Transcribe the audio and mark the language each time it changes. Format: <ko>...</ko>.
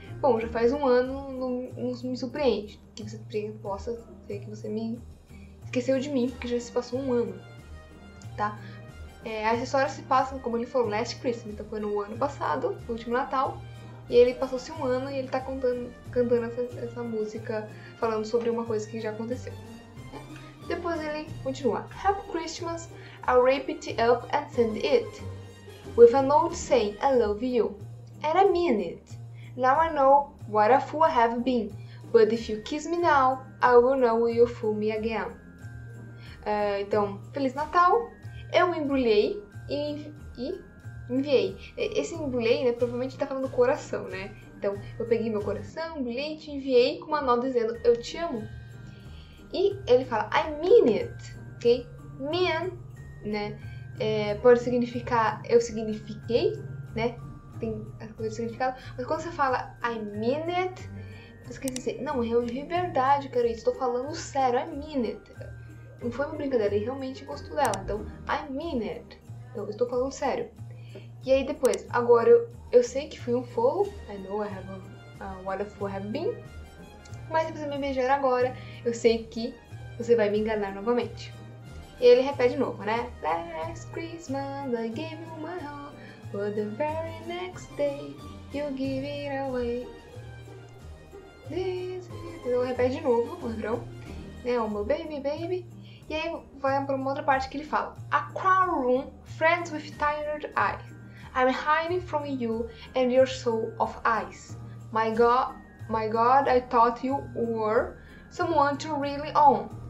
<pt>Bom, já faz um ano, não me surpreende. Que você possa ver que você me esqueceu de mim, porque já se passou um ano, tá? As histórias se passam, como ele falou,</pt> <en>last Christmas.</en> <pt>Então, foi no ano passado, no último Natal. E ele passou-se um ano e ele tá cantando essa música, falando sobre uma coisa que já aconteceu. Depois ele continua.</pt> <en>Happy Christmas, I'll wrap it up and send it. With a note saying, I love you. And I mean it. Now I know what a fool I have been. But if you kiss me now, I will know you fool me again.</en> <pt>Então, Feliz Natal. Eu embrulhei e enviei. Esse embrulhei, né, provavelmente tá falando coração, né? Então, eu peguei meu coração, embrulhei e enviei com uma nota dizendo, eu te amo. E ele fala,</pt> <en>I mean it,</en> <pt>ok? Mean, né? Pode significar, eu signifiquei, né? Tem as coisas de significado. Mas quando você fala,</pt> <en>I mean it,</en> <pt>você quer dizer, não, eu de verdade quero isso, tô falando sério, I mean it. Não foi uma brincadeira, ele realmente gostou dela. Então,</pt> <en>I mean it.</en> <pt>Então, eu estou falando sério. E aí depois, agora eu sei que fui um fool.</pt> <en>I know I have what a fool I have been.</en> <pt>Mas se você me beijar agora, eu sei que você vai me enganar novamente. E ele repete de novo, né?</pt> <en>Last Christmas I gave you my heart, but the very next day you give it away.</en> <pt>This is... Então repete de novo, padrão. Né?</pt> <en>Oh, my baby, baby.</en> <pt>E aí vai pra uma outra parte que ele fala.</pt> <en>A crowd room, friends with tired eyes. I'm hiding from you and your soul of ice. My God, I thought you were someone to really own.</en>